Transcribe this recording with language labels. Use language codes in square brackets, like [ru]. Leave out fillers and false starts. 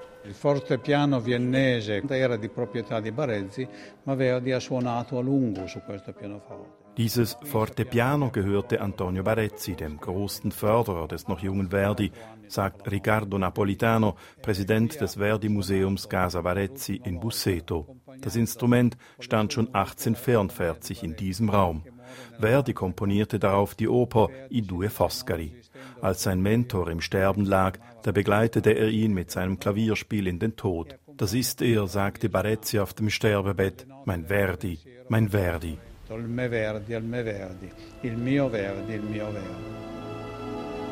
[it] Forte piano viennese era di proprietà di Barezzi, ma Verdi ha suonato a lungo su questo pianoforte. [de] Dieses Forte Piano gehörte Antonio Barezzi, dem großen Förderer des noch jungen Verdi, sagt Riccardo Napolitano, Präsident des Verdi-Museums Casa Barezzi in Busseto. Das Instrument stand schon 1844 in diesem Raum. Verdi komponierte darauf die Oper «I due Foscari». Als sein Mentor im Sterben lag, da begleitete er ihn mit seinem Klavierspiel in den Tod. «Das ist er», sagte Barezzi auf dem Sterbebett, «mein Verdi, mein Verdi». [it] Il me Verdi, il mio Verdi, il mio Verdi.